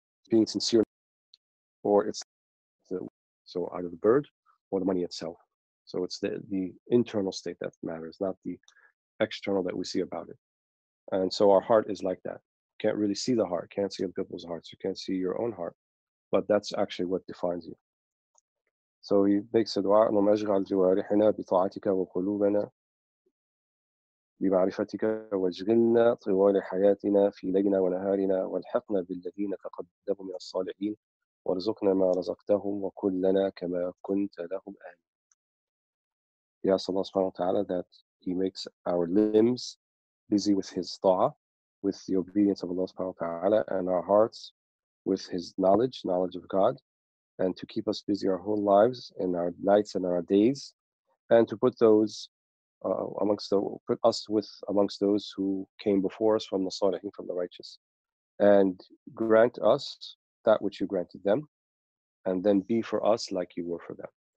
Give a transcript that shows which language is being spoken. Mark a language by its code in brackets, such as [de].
[en] Being sincere, or it's so either the bird or the money itself. So it's the internal state that matters, not the external that we see about it. And so our heart is like that. Can't really see the heart, can't see other people's hearts, you can't see your own heart, but that's actually what defines you. So he makes a dua, [ar] اللهم اجعل جوارحنا بطاعتك وقلوبنا بمعرفتك واجعلنا طوال حياتنا في ليلنا ونهارنا والحقنا بالذين تقدموا من الصالحين وارزقنا ما رزقتهم وكلنا كما كنت لهم أهل. [en] He asks Allah subhanahu wa ta'ala that He makes our limbs busy with His dua, with the obedience of Allah subhanahu wa ta'ala, and our hearts with His knowledge of God, and to keep us busy our whole lives in our nights and our days, and to put those amongst those who came before us from the salihin, from the righteous, and grant us that which you granted them, and then be for us like you were for them.